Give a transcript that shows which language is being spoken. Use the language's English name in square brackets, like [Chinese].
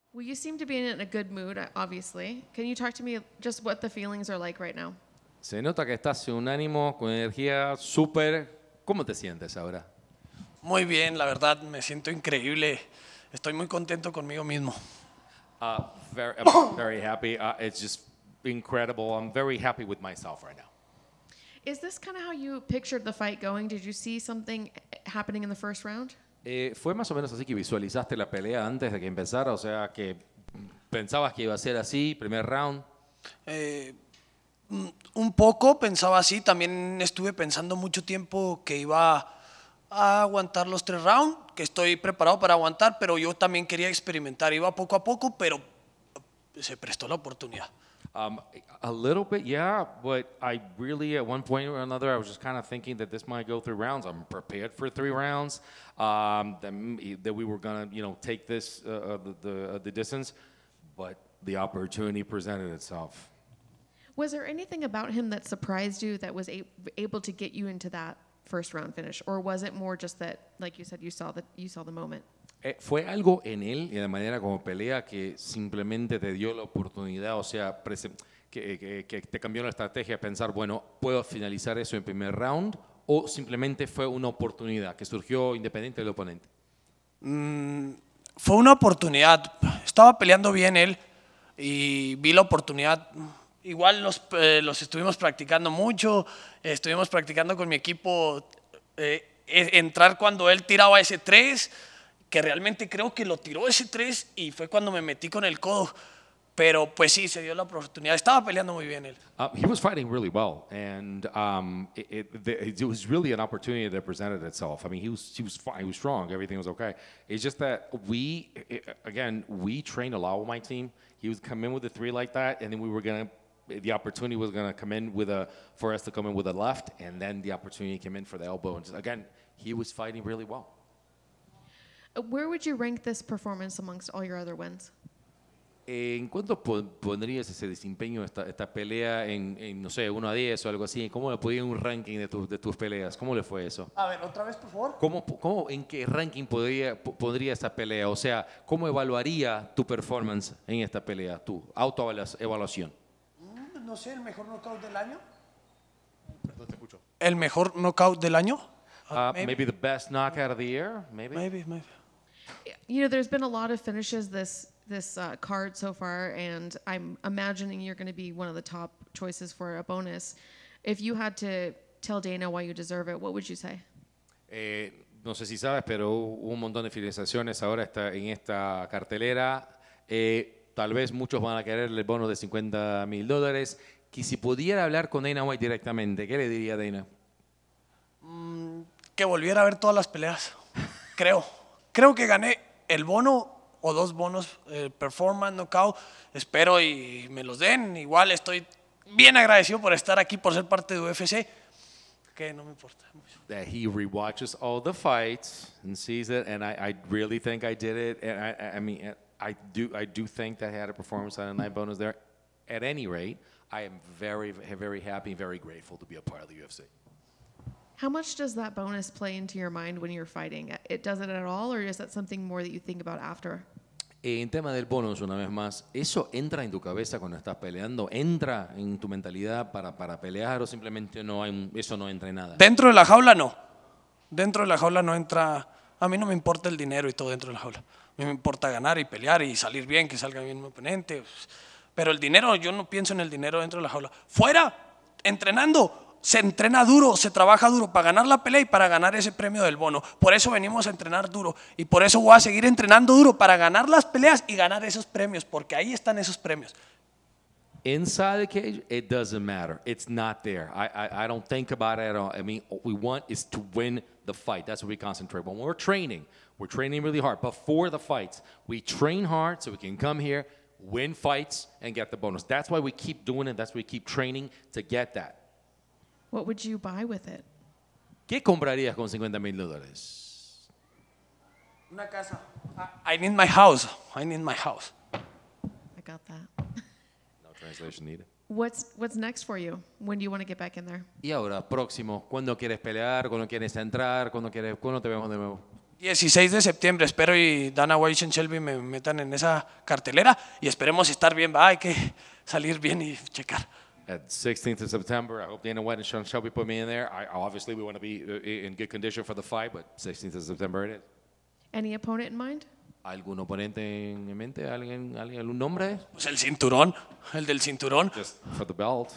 [English] Well, you seem to be in a good mood, obviously. Can you talk to me just what the feelings are like right now? [Spanish] Se nota que estás en un ánimo, con energía súper. ¿Cómo te sientes ahora? Muy bien, la verdad, me siento increíble. Estoy muy contento conmigo mismo. [English] I'm very happy. It's just incredible. I'm very happy with myself right now. Is this kind of how you pictured the fight going? Did you see something happening in the first round? [Spanish] Fue más o menos así que visualizaste la pelea antes de que empezara, o sea, que pensabas que iba a ser así, primer round. Un poco pensaba así, también estuve pensando mucho tiempo que iba a aguantar los tres rounds, que estoy preparado para aguantar, pero yo también quería experimentar, iba poco a poco, pero se prestó la oportunidad. [English] A little bit, yeah, but I really, at one point or another, I was just kind of thinking that this might go through rounds. I'm prepared for three rounds, that we were going to, you know, take this, the distance, but the opportunity presented itself. Was there anything about him that surprised you that was able to get you into that first round finish, or was it more just that, like you said, you saw the moment? [Spanish] Fue algo en él y de manera como pelea que simplemente te dio la oportunidad, o sea, que te cambió la estrategia de pensar, bueno, puedo finalizar eso en primer round, o simplemente fue una oportunidad que surgió independiente del oponente. Fue una oportunidad. Estaba peleando bien él y vi la oportunidad. Igual los estuvimos practicando mucho, estuvimos practicando con mi equipo, entrar cuando él tiraba ese 3, que realmente creo que lo tiró ese 3 y fue cuando me metí con el codo. Pero pues sí, se dio la oportunidad. Estaba peleando muy bien él. [English] He was fighting really well, and it was really an opportunity that presented itself. I mean, he was fine, he was strong, everything was okay. It's just that we trained a lot with my team. He would come in with a 3 like that, and then the opportunity was going to come in for us to come in with a left, and then the opportunity came in for the elbow. And just, again, he was fighting really well. Where would you rank this performance amongst all your other wins? [Spanish] ¿En cuánto pondrías ese desempeño, esta pelea, en no sé, 1 a 10 o algo así? ¿Cómo le podría un ranking de tus peleas? ¿Cómo le fue eso? A ver, otra vez, por favor. ¿Cómo en qué ranking pondría esta pelea? O sea, ¿cómo evaluaría tu performance en esta pelea, tu autoevaluación? No sé, el mejor knockout del año. Perdón, te escucho. ¿El mejor knockout del año? [English] Maybe the best knockout of the year, maybe. Maybe. You know, there's been a lot of finishes this card so far, and I'm imagining you're going to be one of the top choices for a bonus. If you had to tell Dana why you deserve it, what would you say? [Spanish] No sé si sabes, pero un montón de finalizaciones ahora está en esta cartelera. Tal vez muchos van a querer el bono de $50,000. Que si pudiera hablar con Dana White directamente, ¿qué le diría a Dana? Que volviera a ver todas las peleas. Creo que gané el bono o dos bonos, performance, knockout. Espero y me los den. Igual estoy bien agradecido por estar aquí, por ser parte de UFC. Que no me importa mucho. [English] That he rewatches all the fights and sees it. And I really think I did it. And I do think that I had a performance on a night bonus there. At any rate, I am very, very happy, very grateful to be a part of the UFC. How much does that bonus play into your mind when you're fighting? It does it at all, or is that something more that you think about after? [Spanish] En tema del bonus, una vez más, ¿eso entra en tu cabeza cuando estás peleando? ¿Entra en tu mentalidad para pelear, o simplemente eso no entra en nada? Dentro de la jaula, no. Dentro de la jaula no entra. A mí no me importa el dinero y todo dentro de la jaula. A mí me importa ganar y pelear y salir bien, que salga bien mi oponente. Pero el dinero, yo no pienso en el dinero dentro de la jaula. ¡Fuera! ¡Entrenando! Se entrena duro, se trabaja duro para ganar la pelea y para ganar ese premio del bono. Por eso venimos a entrenar duro y por eso voy a seguir entrenando duro para ganar las peleas y ganar esos premios, porque ahí están esos premios. [English] Inside the cage, it doesn't matter. It's not there. I don't think about it at all. I mean, what we want is to win the fight. That's what we concentrate on. When we're training, we're training really hard. Before the fights, we train hard so we can come here, win fights, and get the bonus. That's why we keep doing it. That's why we keep training to get that. What would you buy with it? [Spanish] ¿Qué comprarías con $50,000? Una casa. [English] I need my house. I need my house. I got that. No translation needed. What's next for you? When do you want to get back in there? [Spanish] Y ahora, próximo. ¿Cuándo quieres pelear? ¿Cuándo quieres entrar? ¿Cuándo te vemos de nuevo? 16 de septiembre, espero y Dana White y Shelby me metan en esa cartelera y esperemos estar bien, va, hay que salir bien y checar. [English] At 16th of September, I hope Dana White and Sean Shelby put me in there. I, obviously, we want to be in good condition for the fight, but 16th of September it is. Any opponent in mind? [Spanish] ¿Algún oponente en mente? ¿Alguien, algún nombre? Pues el cinturón, el del cinturón. [English] Just for the belt.